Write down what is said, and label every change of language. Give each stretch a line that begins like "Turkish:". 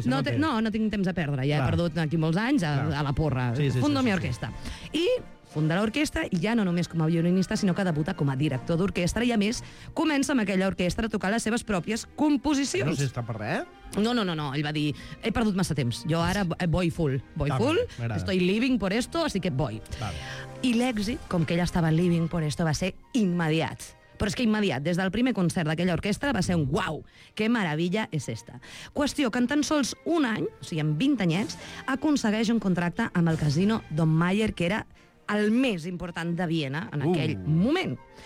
Catalan: No tinc temps a perdre, ja he perdut aquí molts anys a la porra. Sí, sí, funda sí, la meva sí, orquestra. Sí. I funda l'orquestra, ja no només com a violinista, sinó que debuta com a director d'orquestra i, a més, comença amb aquella orquestra a tocar les seves pròpies composicions. No sé si està per res. No. Ell va dir, he perdut massa temps.
Spanish: Jo ara voy full. Voy Dame, full, estoy living por esto, así que voy. Dame.
Catalan: I l'èxit, com que ell estava
Spanish: living por esto,
Catalan: va ser immediat. Però és que immediat, des del primer concert d'aquella orquestra, va ser un uau, que meravella és esta. Qüestió que en tan sols un any, o sigui, en 20 anyets, aconsegueix un contracte amb el casino Don Mayer, que era el més important de Viena en aquell moment.